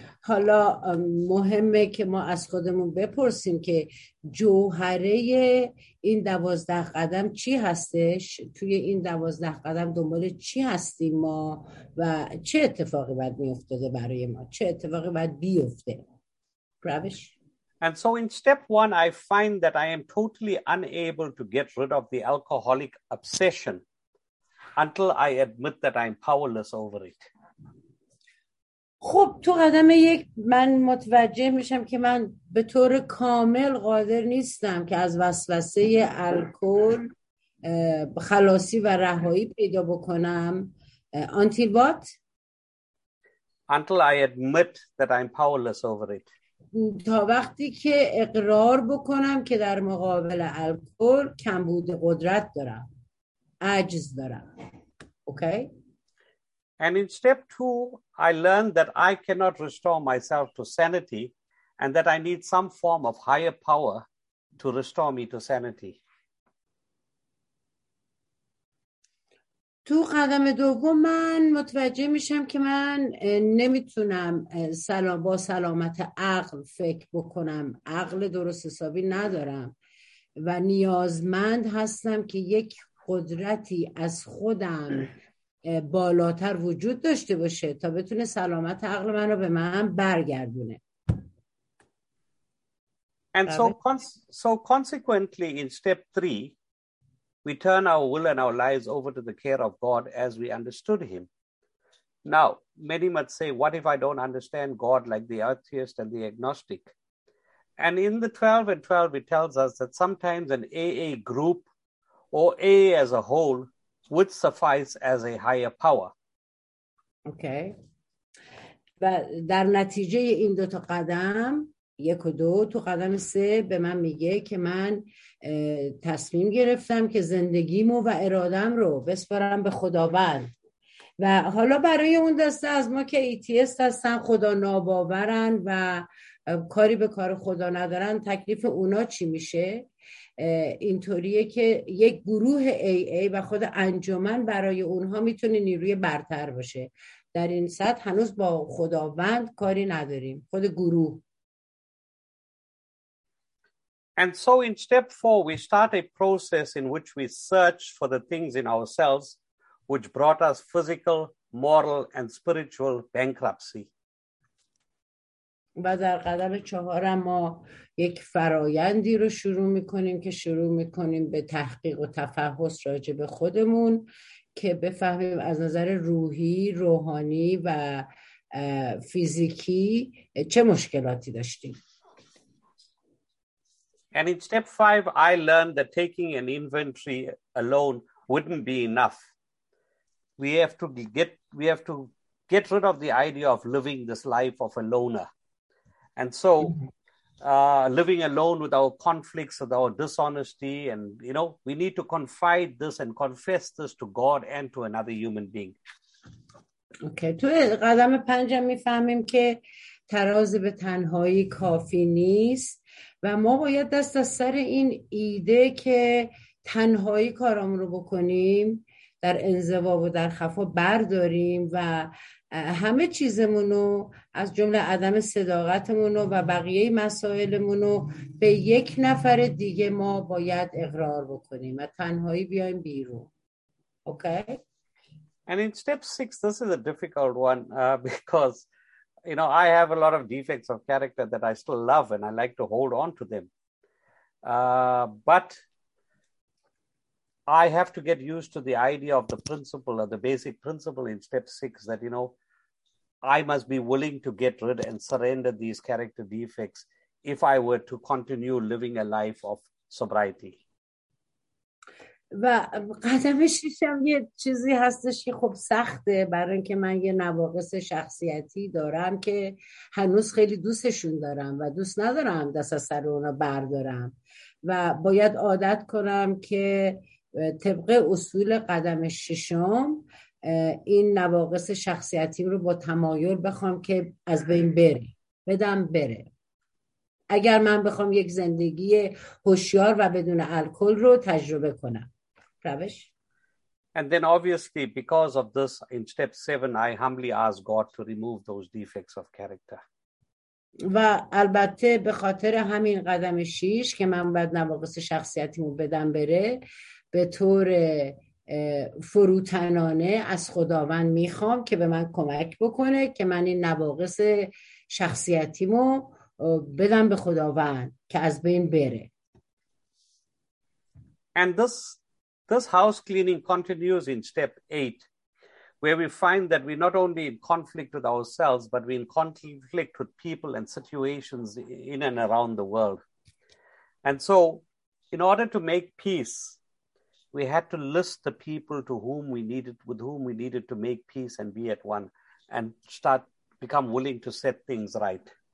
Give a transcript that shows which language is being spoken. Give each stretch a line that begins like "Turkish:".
Persian: حالا مهمه که ما از خودمون بپرسیم که جوهره این 12 قدم چی هستش، توی این 12 قدم دنبال چی هستیم ما و چه اتفاقی باید میافتاده برای ما، چه اتفاقی باید بیفته. روش.
English: And so in step 1 I find that I am totally unable to get rid of the alcoholic obsession until I admit that I am powerless over it.
Persian: خب تو قدم یک من متوجه میشم که من به طور کامل قادر نیستم که از وسوسه الکل خلاصی و رهایی پیدا بکنم.
English: Until what? Until I admit that I'm powerless over it.
Persian: تا وقتی که اقرار بکنم که در مقابل الکل کمبود قدرت دارم، عجز دارم.
English: Okay. And in step 2, I learned that I cannot restore myself to sanity and that I need some form of higher power to restore me to sanity.
Persian: تو قدم دوم من متوجه میشم که من نمیتونم با سلامت عقل فکر بکنم. عقل درست حسابی ندارم و نیازمند هستم که یک قدرتی از خودم بالاتر وجود داشته باشه تا بتونه سلامت عقل من رو به من برگردونه.
English: And so consequently in step 3 we turn our will and our lives over to the care of God as we understood him. Now many might say, what if I don't understand God like the atheist and the agnostic? And in the 12 and 12 it tells us that sometimes an AA group or AA as a whole would suffice as a higher power. Okay.
Persian: و در نتیجه این دو تا قدم، یک و دو، تو قدم سه به من میگه که من تصمیم گرفتم که زندگیمو و ارادم رو بسپارم به خداوند. و حالا برای اون دسته از ما که ایتیست هستن، خدا ناباورن و کاری به کار خدا ندارن، تکلیف اونا چی میشه؟ اینطوریه که یک گروه AA و خود انجمن برای اونها میتونه نیروی برتر باشه. در این سطح هنوز با خداوند کاری نداریم، خود گروه.
English: And so in step 4 we start a process in which we search for the things in ourselves which brought us physical, moral and spiritual bankruptcy.
Persian: و در قدم چهارم ما یک فرایندی رو شروع میکنیم که شروع میکنیم به تحقیق و تفحص راجع به خودمون که بفهمیم از نظر روحی، روحانی و فیزیکی چه مشکلاتی داشتیم.
English: And in step 5 I learned that taking an inventory alone wouldn't be enough. We have to get rid of the idea of living this life of a loner. And so living alone with our conflicts, with our dishonesty, and you know, we need to confide this and confess this to God and to another human being.
Persian: Okay, تو قدم پنجم میفهمیم که ترازی به تنهایی کافی نیست و ما باید دست از سر این ایده که تنهایی کارامون رو بکنیم، در انزوا و در خفا برداریم و همه چیزمونو از جمله عدم صداقتمونو و بقیه مسائلمونو به یک نفر دیگه ما باید اقرار بکنیم و تنهایی بیایم بیرون.
English: Okay? And in step 6, this is a difficult one because, you know, I have a lot of defects of character that I still love and I like to hold on to them. But I have to get used to the idea of the principle or the basic principle in step 6 that, you know, I must be willing to get rid and surrender these character defects if I were to continue living a life of sobriety.
Persian: و قدم ششم یه چیزی هستش که خب سخته، برای اینکه من یه نواقص شخصیتی دارم که هنوز خیلی دوستشون دارم و دوست ندارم دست از سر اونا بردارم و باید عادت کنم که طبق اصول قدم ششم این نواقص شخصیتیم رو با تمایل بخوام که از بین بره، بدم بره. اگر من بخوام یک زندگی هوشیار و بدون الکل رو تجربه کنم. روش.
English: And then obviously because of this in step 7 I humbly ask God to remove those defects of character.
Persian: و البته به خاطر همین قدم 6 که من باید نواقص شخصیتیم رو بدم بره، به طور فروتنانه از خداوند میخوام که به من کمک بکنه که من این نواقص شخصیتیمو بدم به خداوند که از بین بره.
English: And this house cleaning continues in step 8 where we find that we not only in conflict with ourselves but we in conflict with people and situations in and around the world. And so in order to make peace we had to list the people with whom we needed to make peace and be at one and start become willing to set things right.